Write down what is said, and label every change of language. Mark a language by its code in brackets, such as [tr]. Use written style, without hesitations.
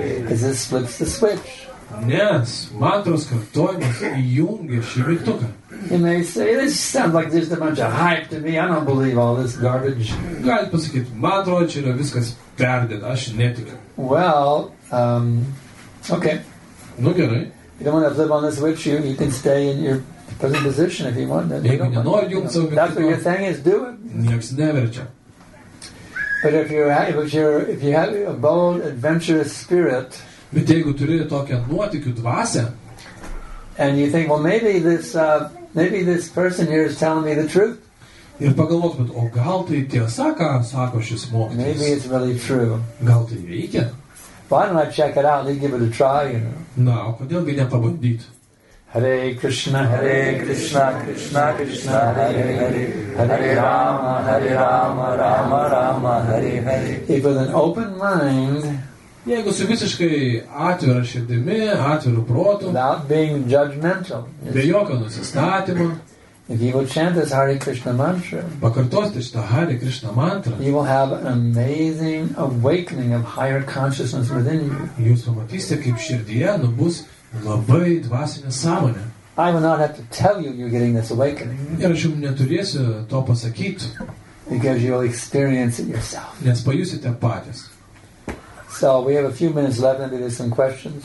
[en] Because this flips the switch. [lt] Nes, mantras kartuojamas įjungia šį mygtuką. [en] You may say, this sounds like just a bunch of hype to me. I don't believe all this garbage. [lt] Galit pasakyti, mantra čia yra viskas perdėta, aš netikiu. [en] Well, okay. [lt] Nu, gerai. [en] You don't want to flip on this switch, you can stay in your present position if you want. That's what you're saying is do it. [lt] Nieks neverčia. [en] But if you have a bold, adventurous spirit, [lt] bet jeigu turi tokią nuotykių dvasę, [en] and you think, well, maybe this person here is telling me the truth. [lt] Ir pagalvotumėt, o gal tai tiesa, ką sako šis mokytis? [en] Maybe it's really true. [lt] Gal tai veikia? [en] Why don't I check it out? Let's give it a try, you know. [lt] Na, o kodėl gi nepabandyt? [sa] Hare Krishna, Krishna Krishna, Hare Hare. Hare Rama, Rama Rama, Hare Hare. [en] If with an open mind, [lt] jeigu su visiškai atvira širdimi, atviru protu, [en] without being judgmental, [lt] be jokio nusistatymo, [en] if you will chant this Hare Krishna mantra, [lt] pakartosite šitą Hare Krishna mantra, [en] you will have an amazing awakening of higher consciousness within you. [lt] Jūs pamatysite, kaip širdyje nubus labai dvasinė sąmonė. [en] I will not have to tell you you're getting this awakening. [lt] Ir aš jums neturėsiu to pasakyti. [en] Because you will experience it yourself. [lt] Nes pajusite patys. [en] So we have a few minutes left and there are some questions.